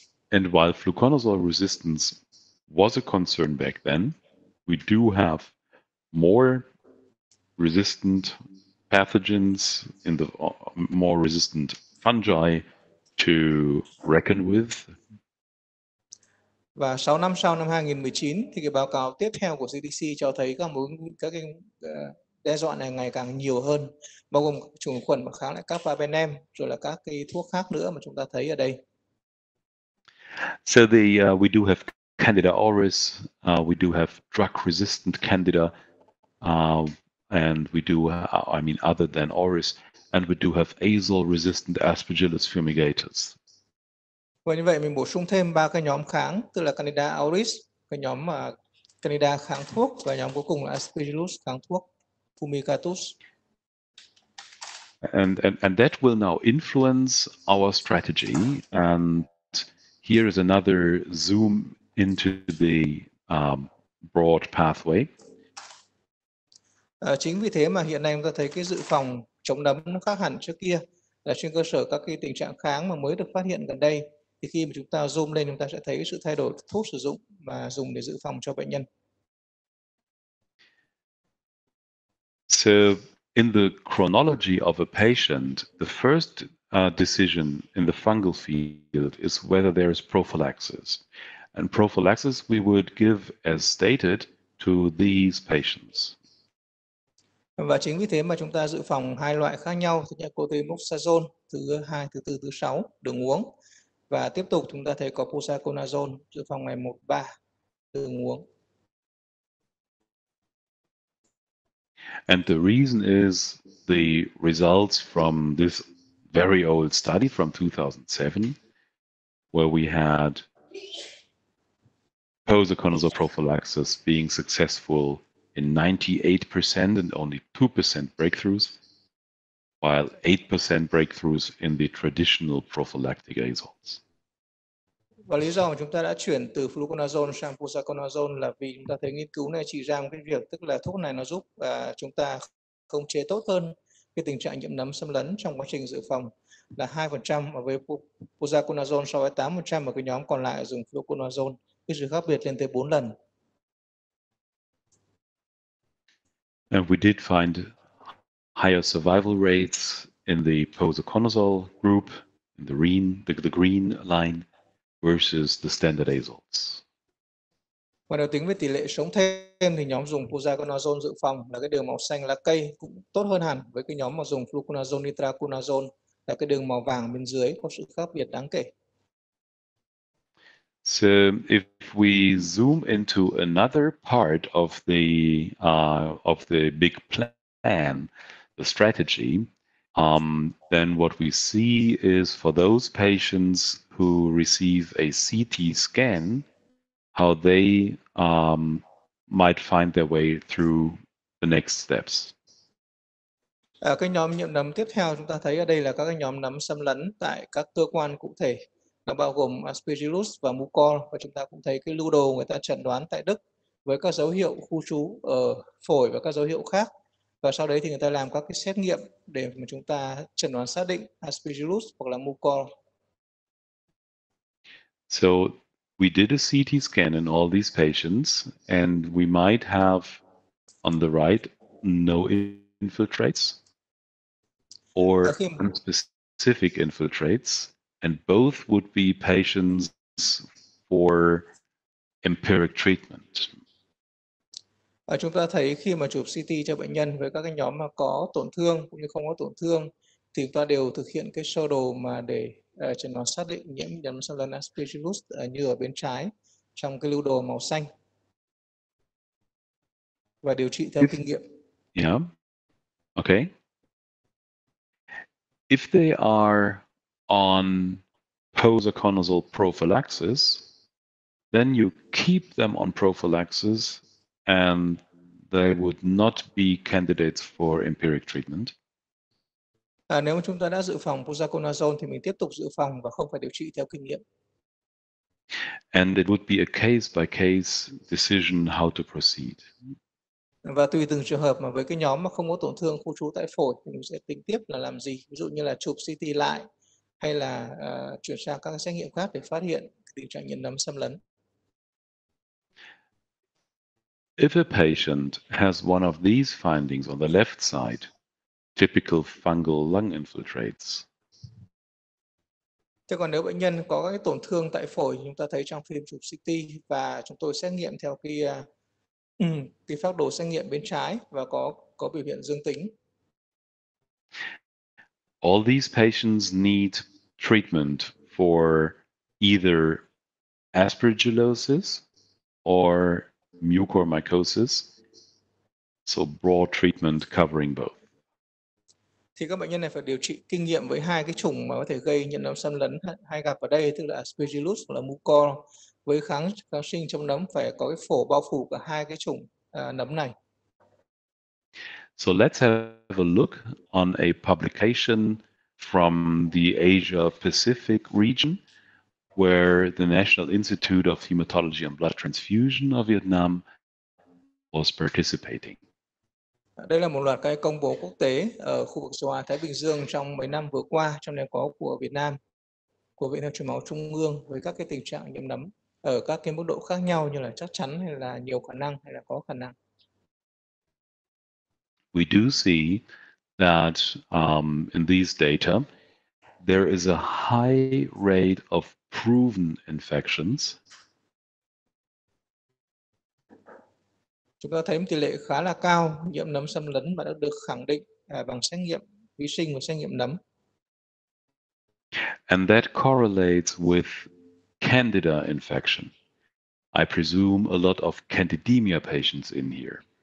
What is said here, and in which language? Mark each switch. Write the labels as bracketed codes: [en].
[en] And while fluconazole resistance was a concern back then, we do have more resistant pathogens in the more resistant fungi to reckon with. [vi] Và 6 năm sau năm 2019 thì cái báo cáo tiếp theo của CDC cho thấy các cái đe dọa này ngày càng nhiều hơn, bao gồm chủng khuẩn mà kháng lại Carbapenem rồi là các cái thuốc khác nữa mà chúng ta thấy ở đây. [en] So the we do have Candida auris, we do have drug resistant Candida, and we do other than auris, and we do have azole resistant Aspergillus fumigatus. [vi] Và như vậy mình bổ sung thêm ba cái nhóm kháng, tức là Candida auris, cái nhóm Candida kháng thuốc và nhóm cuối cùng là Aspergillus kháng thuốc fumigatus. [en] And that will now influence our strategy. And here is another zoom into the broad pathway. [vi] Chính vì thế mà hiện nay chúng ta thấy cái dự phòng chống nấm nó khác hẳn trước kia, là trên cơ sở các cái tình trạng kháng mà mới được phát hiện gần đây. Thì khi mà chúng ta zoom lên, chúng ta sẽ thấy sự thay đổi thuốc sử dụng mà dùng để dự phòng cho bệnh nhân. [en] So, in the chronology of a patient, the first decision in the fungal field is whether there is prophylaxis. And prophylaxis we would give as stated to these patients. [vi] Và chính vì thế mà chúng ta dự phòng hai loại khác nhau, thứ nhất là cotrimoxazole, thứ hai, thứ tư, thứ sáu, đường uống. Và tiếp tục chúng ta thấy có posaconazole dự phòng ngày 1-3 đường uống. [en] And the reason is the results from this very old study from 2007 where we had posaconazole prophylaxis being successful in 98% and only 2% breakthroughs, while 8% breakthroughs in the traditional prophylactic azoles. [vi] Và lý do mà chúng ta đã chuyển từ fluconazole sang posaconazole là vì chúng ta thấy nghiên cứu này chỉ ra một cái việc, tức là thuốc này nó giúp chúng ta khống chế tốt hơn cái tình trạng nhiễm nấm xâm lấn trong quá trình dự phòng là 2%, và với posaconazole so với 8% và cái nhóm còn lại dùng fluconazole, cái sự khác biệt lên tới 4 lần. [en] And we did find higher survival rates in the posaconazole group, in the green line, versus the standard azoles. [vi] Và nếu tính về tỷ lệ sống thêm thì nhóm dùng posaconazole dự phòng là cái đường màu xanh lá cây cũng tốt hơn hẳn với cái nhóm mà dùng fluconazole nitraconazole là cái đường màu vàng bên dưới, có sự khác biệt đáng kể. [en] So if we zoom into another part of the big plan, the strategy, then what we see is for those patients who receive a CT scan, how they might find their way through the next steps. [vi] Cái nhóm nhiễm nấm tiếp theo chúng ta thấy ở đây là các cái nhóm nấm xâm lấn tại các cơ quan cụ thể. Nó bao gồm Aspergillus và Mucor, và chúng ta cũng thấy cái lưu đồ người ta chẩn đoán tại Đức với các dấu hiệu khu trú ở phổi và các dấu hiệu khác. Và sau đấy thì người ta làm các cái xét nghiệm để mà chúng ta chẩn đoán xác định Aspergillus hoặc là Mucor. [en] So We did a CT scan in all these patients, and we might have on the right no infiltrates or unspecific infiltrates, and both would be patients for empiric treatment. [vi] Chúng ta thấy khi mà chụp CT cho bệnh nhân với các cái nhóm mà có tổn thương cũng như không có tổn thương thì chúng ta đều thực hiện cái sơ đồ mà để chẩn đoán xác định nhiễm nấm xâm lấn aspergillus như ở bên trái trong cái lưu đồ màu xanh và điều trị theo kinh nghiệm. [en] Yeah. Okay. If they are on posaconazole prophylaxis, then you keep them on prophylaxis and they would not be candidates for empiric treatment. [vi] À, nếu mà chúng ta đã dự phòng posaconazole thì mình tiếp tục dự phòng và không phải điều trị theo kinh nghiệm. [en] And it would be a case by case decision how to proceed. [vi] Và tùy từng trường hợp mà với cái nhóm mà không có tổn thương khu trú tại phổi thì mình sẽ tính tiếp là làm gì, ví dụ như là chụp CT lại hay là chuyển sang các xét nghiệm khác để phát hiện tình trạng nhiễm nấm xâm lấn. [en] If a patient has one of these findings on the left side, typical fungal lung infiltrates. [vi] Thế còn nếu bệnh nhân có cái tổn thương tại phổi chúng ta thấy trong phim chụp CT và chúng tôi xét nghiệm theo cái phác đồ xét nghiệm bên trái và có biểu hiện dương tính. [en] All these patients need treatment for either aspergillosis or mucormycosis, so broad treatment covering both. [vi] Thì các bệnh nhân này phải điều trị kinh nghiệm với hai cái chủng mà có thể gây nhiễm nấm xâm lấn hay gặp ở đây, tức là aspergillus hoặc là mucor, với kháng sinh chống nấm phải có cái phổ bao phủ cả hai cái chủng nấm này. [en] So let's have a look on a publication from the Asia Pacific region, where the National Institute of Hematology and Blood Transfusion of Vietnam was participating. [vi] Đây là một loạt các công bố quốc tế ở khu vực châu Á Thái Bình Dương trong mấy năm vừa qua, trong đó có của Việt Nam, của Viện Truyền máu Trung ương với các cái tình trạng nhiễm nấm ở các cái mức độ khác nhau như là chắc chắn hay là nhiều khả năng hay là có khả năng. [en] We do see that in these data there is a high rate of proven infections. [vi] Chúng ta thấy tỷ lệ khá là cao nhiễm nấm xâm lấn mà đã được khẳng định bằng xét nghiệm vi sinh và xét nghiệm nấm. [en] And that correlates with Candida infection. I presume a lot of candidemia patients in here.